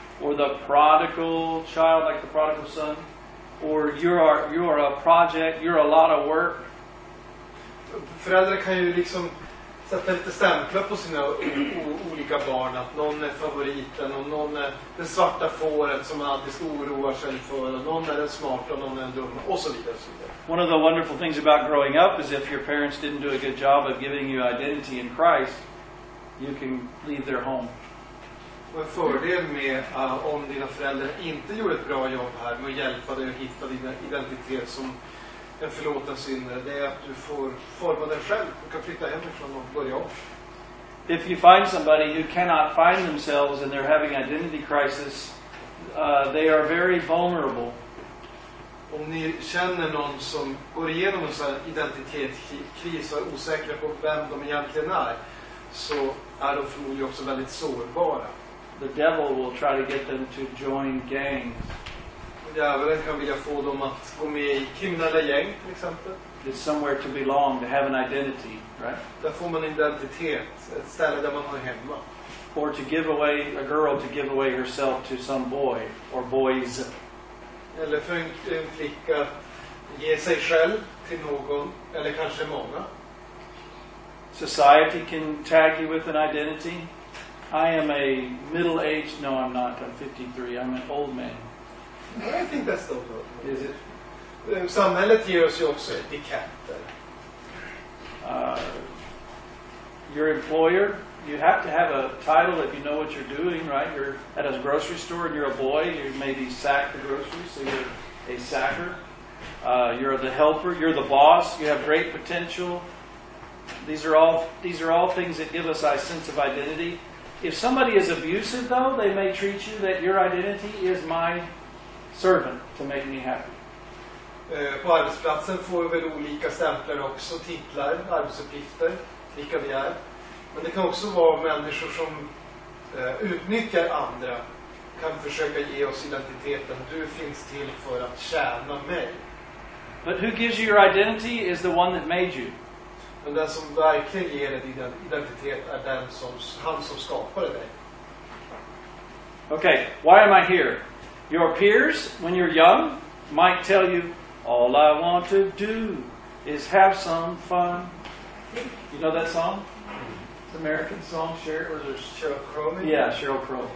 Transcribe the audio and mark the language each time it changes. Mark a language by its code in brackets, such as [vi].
[en] Or the prodigal child, like the prodigal son. Or you're a project, you're a lot of work. [sv] Föräldrar kan ju liksom sätta lite stämplar på sina olika barn. Att någon är favoriten, och någon är det svarta fåret som alltid oroar sig för. Och någon är den smarta, och någon är den dumma, och så vidare. [en] One of the wonderful things about growing up is if your parents didn't do a good job of giving you identity in Christ, you can leave their home. [sv] Men fördel med om dina föräldrar inte gjorde ett bra jobb här med att hjälpa dig att hitta din identitet som en förlåten syndare, det är att du får forma dig själv och kan flytta hemifrån och börja om. [en] If you find somebody who cannot find themselves and they're having identity crisis, they are very vulnerable. [sv] Om ni känner någon som går igenom en sån identitetskris och är osäkra på vem de egentligen är, så är de förmodligen också väldigt sårbara. [en] The devil will try to get them to join gangs. [sv] Djävulen kan vilja få dem att gå med i kriminella gäng, till exempel. [en] It's somewhere to belong, to have an identity, right? [sv] Där får man identitet, ett ställe där man har hemma. [en] Or to give away a girl to give away herself to some boy or boys. [sv] Eller för en flicka ge sig själv till någon eller kanske många. [en] Society can tag you with an identity. I am a middle-aged... No, I'm not. I'm 53. I'm an old man. I think that's the problem. Is it? [sv] Samhället ger oss ju också etiketter. [en] Your employer, you have to have a title if you know what you're doing, right? You're at a grocery store and you're a boy. You maybe sack the groceries, so you're a sacker. You're the helper. You're the boss. You have great potential. These are all things that give us a sense of identity. If somebody is abusive, though, they may treat you that your identity is my servant to make me happy. [sv] På arbetsplatsen får vi väl olika stämplar också, titlar, arbetsuppgifter, vilka vi är. Men det kan också vara människor som utnyttjar andra, kan försöka ge oss identiteten. Du finns till för att tjäna mig. [en] But who gives you your identity is the one that made you. [sv] Men den som verkligen ger dig din identitet är den som han som skapade dig. [en] Okay, why am I here? Your peers, when you're young, might tell you All I want to do is have some fun. You know that song? It's an American song. Sheryl Crow.